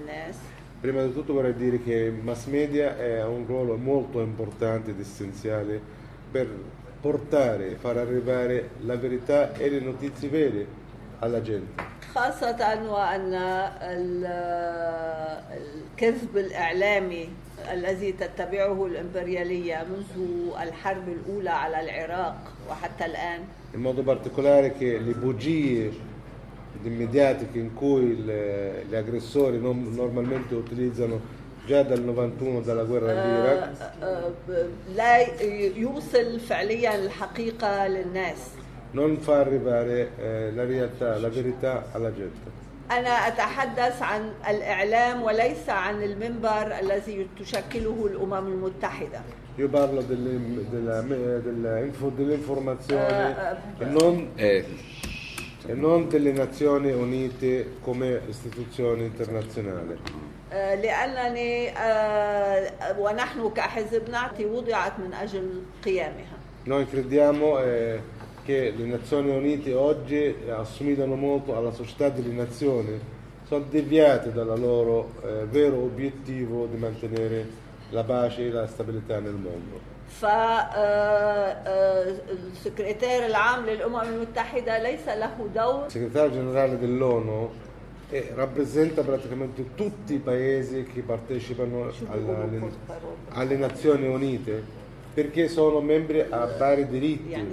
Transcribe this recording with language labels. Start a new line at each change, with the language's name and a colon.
Arabic: الناس
Italian: prima di tutto vorrei dire che mass media ha un ruolo molto importante ed essenziale per portare, far arrivare la verità e le notizie vere alla gente.
Arabic: خاصةً وأن الكذب الإعلامي الذي تتبعه الإمبريالية منذ الحرب الأولى على العراق وحتى الآن.
Italian: In modo particolare che le bugie mediatiche in cui gli aggressori normalmente utilizzano già dal 91 dalla guerra all'Iraq non fa arrivare la realtà, la verità alla gente.
Arabic: انا اتحدث عن الاعلام وليس عن المنبر الذي تشكله الامم المتحده.
Italian: Io parlo dell'informazione e non delle Nazioni Unite come istituzione internazionale.
Arabic: لأنني ونحن كحزب نعطي وضعت من أجل قيامها.
Italian: Noi crediamo che le Nazioni Unite oggi assomigliano molto alla società delle nazioni, sono deviate dal loro vero obiettivo di mantenere la pace e la stabilità nel mondo.
Arabic: فالسكرتير العام للأمم المتحدة ليس له دور.
Italian: Il segretario generale dell'ONU e rappresenta praticamente tutti i paesi che partecipano alle Nazioni Unite perché sono membri a pari diritti.